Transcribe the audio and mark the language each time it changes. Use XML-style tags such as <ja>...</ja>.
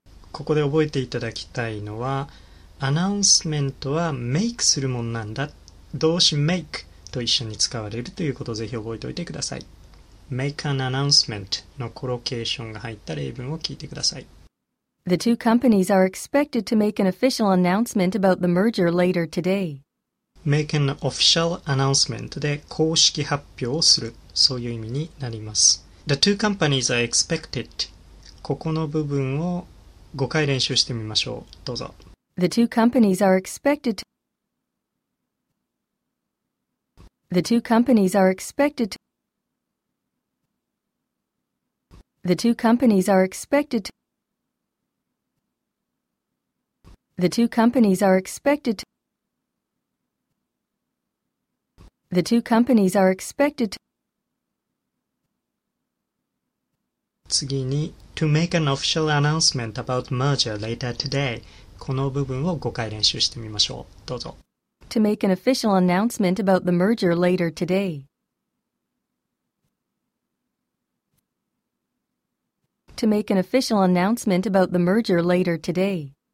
<ja>ここで覚えていただきたいのは、アナウンスメントはメイクするもんなんだ。動詞メイクと一緒に使われるということをぜひ覚えておいてください。</ja> <en>Make an announcement</en> <ja>のコロケーションが入った例文を聞いてください。</ja> <en>The two companies are expected to make an official announcement about the merger later today. Make an official announcement</en> <ja>で公式発表をする。そういう意味になります。</ja> <en>The two companies are expected.</en> <ja>ここの部分を5回練習してみましょう。どうぞ。</ja> <en>The two companies are expected to... The two companies are expected to... The two companies are expected to... The two companies are expected to... The two companies are expected to...</en> <ja>次に、</ja> <en>To make an official announcement about merger later today.</en> <ja>この部分を5回練習してみましょう。どうぞ。</ja> <en>To make an official announcement about the merger later today. To make an official announcement about the merger later today.</en>